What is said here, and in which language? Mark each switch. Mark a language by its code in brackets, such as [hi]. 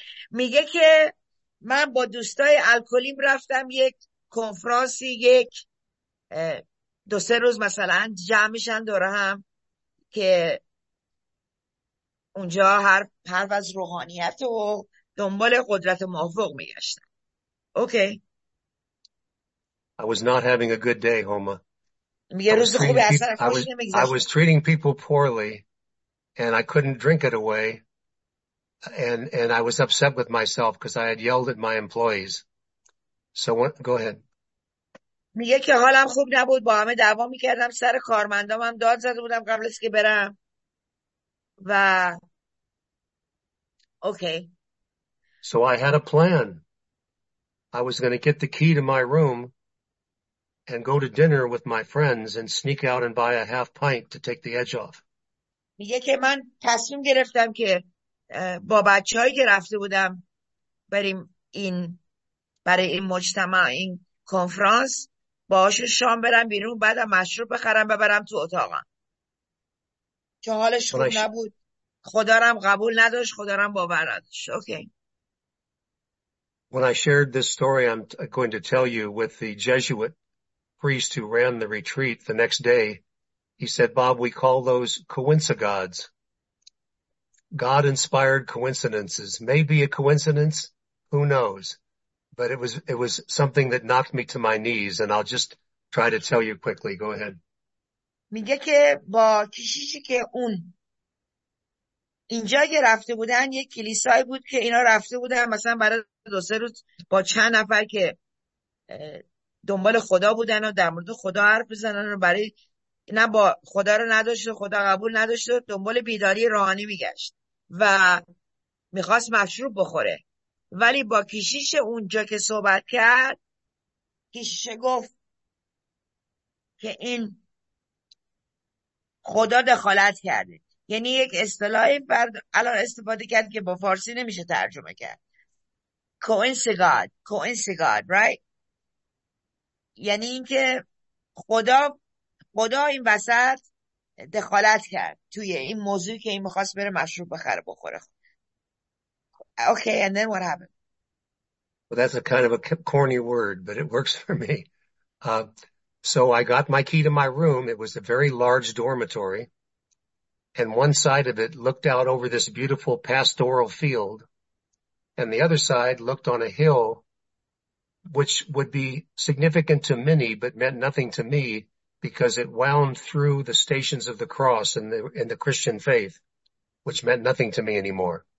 [fa] میگه که من با دوستای الکلیم رفتم یک کنفرانسی یک دو سه روز مثلا جمع میشن دور هم که اونجا هر پرو از روحانیت و دنبال قدرت موفق میگشتم. اوکی. [en] I was not having a good day, Homa. [fa] میگه روز خوبی اصلا خوش نمیگذشت. [en] I was treating people poorly and I couldn't drink it away and I was upset with myself because I had yelled at my employees. So go ahead. [fa] میگه که حالم خوب نبود، با همه دعوا میکردم، سر کارمندام هم داد زده بودم قبل از که برم و اوکی. [en] So I had a plan. I was going to get the key to my room and go to dinner with my friends and sneak out and buy a half pint to take the edge off. [fa] میگه که من تصمیم گرفتم که با بچه‌هایی که رفته بودم بریم این برای این مجتمع این کنفرانس باهاش شام برم بیرون بعدم مشروب بخرم ببرم تو اتاقم. که حالش خوب نبود. خدا رم قبول نداشت، خدا رم باور نداشت. اوکی. [en] When I shared this story I'm going to tell you with the Jesuit priest who ran the retreat the next day, he said, Bob, we call those coincigods. God-inspired coincidences. Maybe a coincidence, who knows? But it was something that knocked me to my knees, and I'll just try to tell you quickly. Go ahead. [fa] میگه که با کشیشی که اون اینجا که رفته بودن یک کلیسایی بود که اینا رفته بودن مثلا برای دو سه روز با چند نفر که دنبال خدا بودن و در مورد خدا حرف بزنن و برای نه با خدا رو نداشت و خدا قبول نداشت و دنبال بیداری روحانی میگشت و میخواست مشروب بخوره ولی با کشیش اونجا که صحبت کرد کشیش گفت که این خدا دخالت کرده. یعنی یک اصطلاحی بعد الان استفاده کرد که با فارسی نمیشه ترجمه کرد. [en] Coincigod, right? [fa] یعنی اینکه خدا این وسط دخالت کرد توی این موضوع که این میخواست بره مشروب بخره بخوره. [en] Okay, and then what happened? Well, that's a kind of a corny word, but it works for me. So I got my key to my room. It was a very large dormitory, and one side of it looked out over this beautiful pastoral field, and the other side looked on a hill, which would be significant to many, but meant nothing to me because it wound through the stations of the cross and the Christian faith, which meant nothing to me anymore.